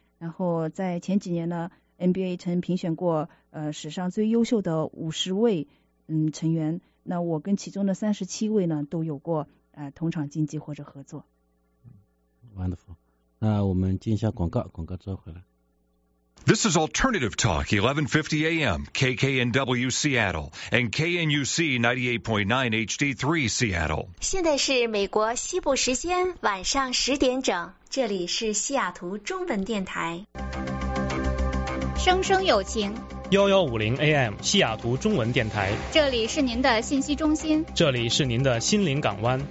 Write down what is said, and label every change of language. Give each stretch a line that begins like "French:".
Chinese: 然后在前几年呢 ，NBA 曾评选过史上最优秀的50位成员。那我跟其中的37位呢，都有过同场竞技或者合作。
English: Wonderful，
Chinese: 那我们进一下广告，广告之后回来。
English: This is Alternative Talk, 1150 AM, KKNW Seattle, and KNUC 98.9 HD3 Seattle.
Chinese: 现在是美国西部时间晚上十点整，这里是西雅图中文电台。声声有情。 1150 AM 西雅图中文电台，这里是您的信息中心，这里是您的心灵港湾，